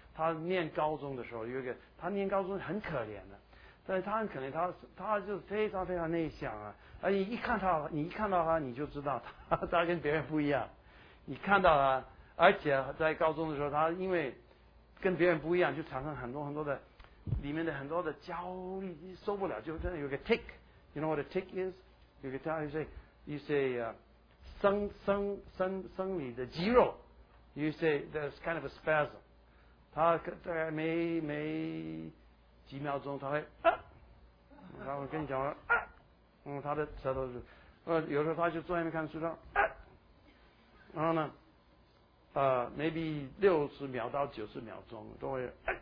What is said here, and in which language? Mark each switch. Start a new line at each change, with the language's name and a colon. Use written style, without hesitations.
Chinese: 他念高中的时候，他念高中很可怜的，但是他很可怜，他就非常非常内向啊。而且你一看到他，你就知道他跟别人不一样。你看到他，而且在高中的时候，他因为跟别人不一样，就产生很多很多的里面的很多的焦虑，受不了，就真的有个 tick。
English: You know what a tick is? You can tell, you say,
Chinese: 生理的肌肉
English: you say, there's kind of a spasm.
Chinese: 他大概每几秒钟他会然后跟你讲他的舌头有时候他就坐在那边看书上然后呢maybe 60秒到90秒钟都会然